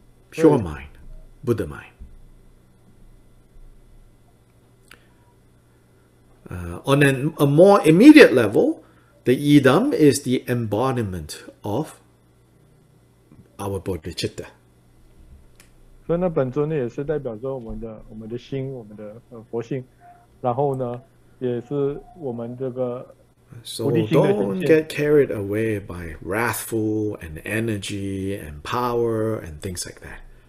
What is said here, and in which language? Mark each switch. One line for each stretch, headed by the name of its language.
English: Pure mind, Buddha mind. On a more immediate level, the idam is the embodiment of our bodhicitta. So, that
Chinese: 本尊呢，也是代表着我们的心，我们的佛性。然后呢，也是我们这个菩提心的显现。
English: So don't get carried away by wrathful and energy and power and things like that.